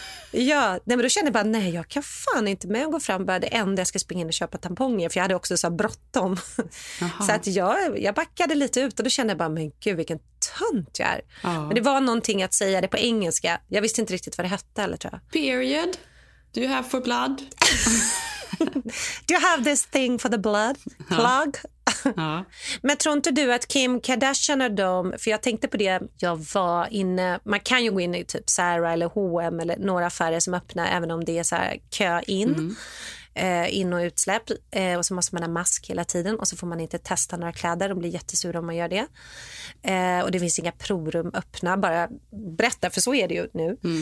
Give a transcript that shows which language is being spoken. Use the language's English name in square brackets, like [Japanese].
[Swedish] Ja, nej, men då kände jag bara, nej jag kan fan inte med och gå fram, bara det enda jag ska springa in och köpa tamponger, för jag hade också så bråttom. Så att jag backade lite ut och då kände jag bara, men gud vilken tunt jag är. Ja. Men det var någonting att säga det på engelska, jag visste inte riktigt vad det hette eller tror jag. [English] Period, do you have for blood? Do you have this thing for the blood? [Swedish] Clog? Ja. Men tror inte du att Kim Kardashian och dem, för jag tänkte på det, jag var inne, man kan ju gå in i typ Zara eller H&M eller några affärer som öppnar även om det är så här kö in, in och utsläpp, och så måste man ha mask hela tiden och så får man inte testa några kläder, de blir jättesura om man gör det, och det finns inga provrum öppna, bara berätta, för så är det ju nu.